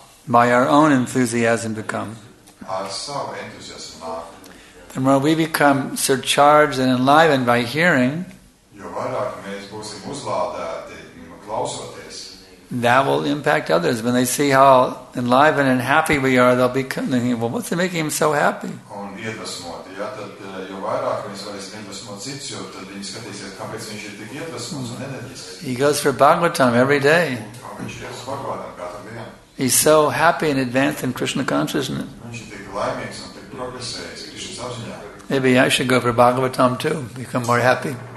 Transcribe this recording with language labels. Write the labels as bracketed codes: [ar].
[en] By our own enthusiasm to come. The more we become surcharged and enlivened by hearing, that will impact others. When they see how enlivened and happy we are, they'll be thinking, well, what's making him so happy? [lv] iedvesmot. Ja, tad, jo vairāk viņš varēs iedvesmot cits, jo tad viņi skatīsies, kāpēc viņš ir tik iedvesmots un enerģisks. [en] He goes for Bhagavatam every day. [lv] Viņš ir uz Bhagavatam katru dienu. [en] He's so happy and advanced in Krishna consciousness. [lv] Viņš ir tik laimīgs un tik progresējis Krishna sapziņā. [en] Maybe I should go for Bhagavatam too, become more happy.